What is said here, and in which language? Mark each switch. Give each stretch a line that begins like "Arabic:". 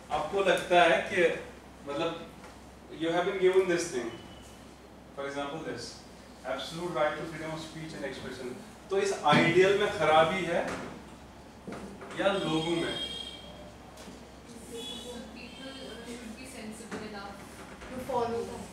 English: You have been given this thing. For example, this. Absolute right to freedom of speech and expression.
Hindi: तो इस ideal में खराबी है या लोगों में?
English: People should be sensible enough to follow.